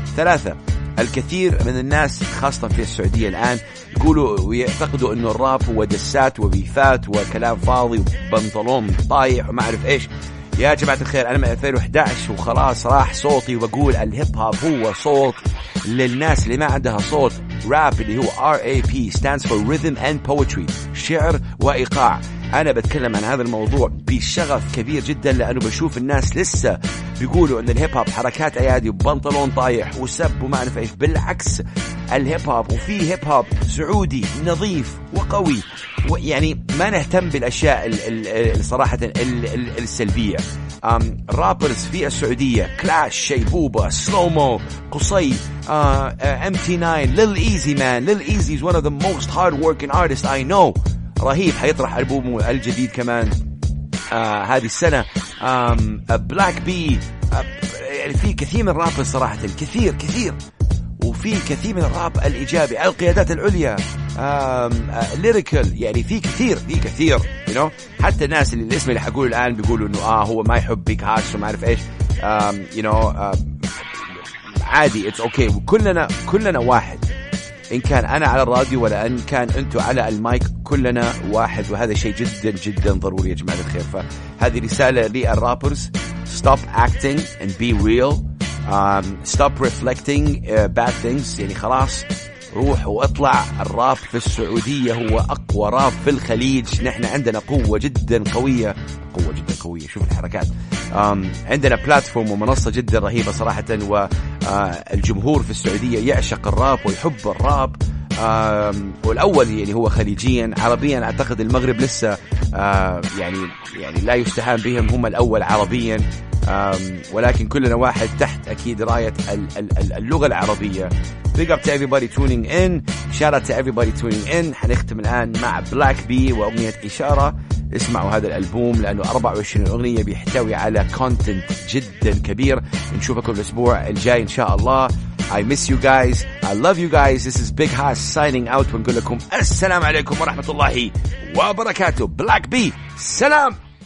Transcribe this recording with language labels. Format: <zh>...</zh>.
<ar>ثلاثة، الكثير من الناس خاصة في السعودية الآن يقولوا ويعتقدوا أنه الراب هو دسات وبيفات وكلام فاضي وبنطلون طايح وما أعرف إيش. يا جماعة الخير، أنا من 2011 وخلاص راح صوتي، وبقول الهيب هوب هو صوت للناس اللي ما عندها صوت. راب اللي هو</ar> <en>RAP stands for Rhythm and Poetry،</en> <ar>شعر وإيقاع. أنا بتكلم عن هذا الموضوع بشغف كبير جدا، لأنه بشوف الناس لسه بيقولوا أن الهيب هوب حركات أيادي وبنطلون طايح وسب وما أعرف إيش. بالعكس، الهيب هوب وفي هيب هوب سعودي نظيف وقوي، ويعني ما نهتم بالأشياء الصراحة السلبية. رابرز في السعودية: كلاش، شيبوبا، سلومو، قصي، MT9، ليل إيزي.</ar> <en>Man Lil Eazy is one of the most hardworking artists I know.</en> <ar>رهيب، حيطرح ألبومه الجديد كمان هذه السنة. بلاك بي، يعني في كثير من الراب صراحة، كثير كثير، وفي كثير من الراب الإيجابي، القيادات العليا، ليريكل، يعني في كثير في كثير،</ar> <en>you know.</en> <ar>حتى الناس اللي الاسم اللي حقوله الآن بيقولوا إنه هو ما يحب بيك هاكس وما أعرف إيش،</ar> <en>you know.</en> <ar>عادي،</ar> <en>it's okay،</en> <ar>كلنا واحد، إن كان أنا على الراديو ولا إن كان أنتوا على المايك، كلنا واحد، وهذا شيء جدا جدا ضروري يا جماعة الخير. فهذه رسالة للرابرز:</ar> <en>stop acting and be real. Stop reflecting bad things.</en> <ar>يعني خلاص، روح واطلع. الراب في السعودية هو أقوى راب في الخليج. نحن عندنا قوة جدا قوية، قوة جدا قوية، شوف الحركات. عندنا بلاتفورم ومنصة جدا رهيبة صراحة، والجمهور في السعودية يعشق الراب ويحب الراب. والأول يعني هو خليجيا، عربيا أعتقد المغرب لسه يعني لا يستهان بهم، هم الأول عربيا، ولكن كلنا واحد تحت أكيد راية اللغة العربية.</ar> <en>Big up to everybody tuning in. Shout out to everybody tuning in.</en> <ar>حنختم الآن مع Black B وأغنية إشارة. اسمعوا هذا الألبوم لأنه 24 أغنية بيحتوي على content جدا كبير. نشوفكم الأسبوع الجاي إن شاء الله.</ar> <en>I miss you guys. I love you guys. This is Big Hoss signing out.</en> <ar>ونقول لكم السلام عليكم ورحمة الله وبركاته. Black B. سلام.</ar>